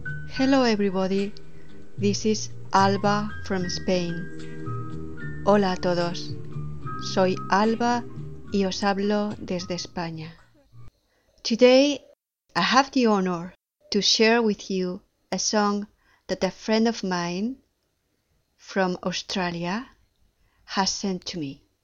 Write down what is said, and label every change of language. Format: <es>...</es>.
<en>Hello everybody, this is Alba from Spain.</en> <es>Hola a todos, soy Alba y os hablo desde España.</es> <en>Today I have the honor to share with you a song that a friend of mine from Australia has sent to me.</en>